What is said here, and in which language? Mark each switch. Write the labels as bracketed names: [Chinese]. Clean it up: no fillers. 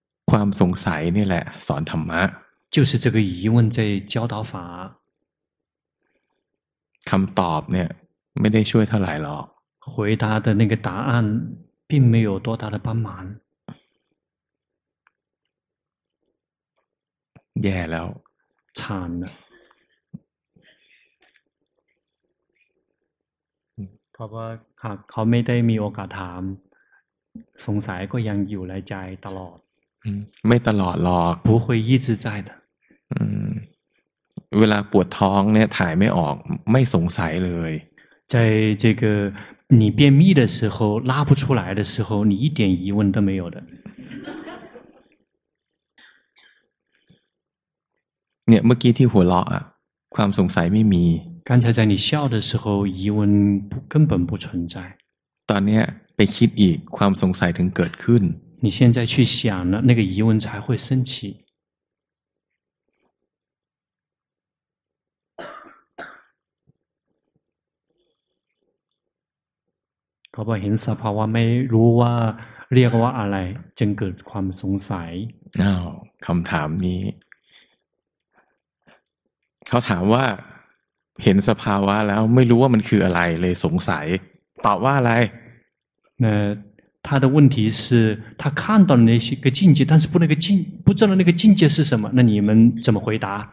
[Thai] ความสงสัยนี่แหละสอนธรรมะ [Chinese] 就是这个疑问在教导法 [Thai] คำตอบเนี่ยไม่ได้ช่วยเท่าไหร่หรอก [Chinese] 回答的那个答案并没有多大的帮忙 [Thai] แย่แล้ว ฉัน เพราะว่า หากเขาไม่ได้มีโอกาสถามสงสัยก็ยังอยู่ในใจตลอด ไม่ตลอดหรอก [Chinese] 不会一直在的 [Thai] เวลาปวดท้องเนี่ยถ่ายไม่ออกไม่สงสัยเลย [Chinese] 在这个你便秘的时候拉不出来的时候你一点疑问都没有的 [Thai] เนี่ยเมื่อกี้ที่หัวเราะอ่ะความสงสัยไม่มี [Chinese] 刚才在你笑的时候疑问根本不存在 [Thai] ตอนนี้ไปคิดอีกความสงสัยถึงเกิดขึ้น [Chinese] 你现在去想了那个疑问才会升起 [Thai] ก็บอกเห็นสภาวะไม่รู้ว่าเรียกว่าอะไรจึงเกิดความสงสัย อ้าวคำถามนี้เขาถามว่าเห็นสภาวะแล้วไม่รู้ว่ามันคืออะไรเลยสงสัยตอบว่าอะไร [Chinese] 那他的问题是他看到那些个境界但是不那个境不知道那个境界是什么那你们怎么回答